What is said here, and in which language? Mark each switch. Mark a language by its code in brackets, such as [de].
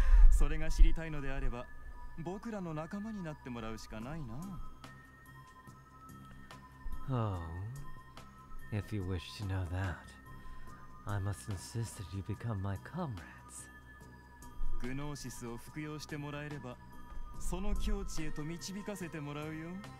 [ja] それが知りたいのであれば、僕らの仲間になってもらうしかないな。 [en] Oh, if you wish to know that, I must insist that you become my comrades. [ja] グノーシスを服用してもらえれば、その境地へと導かせてもらうよ。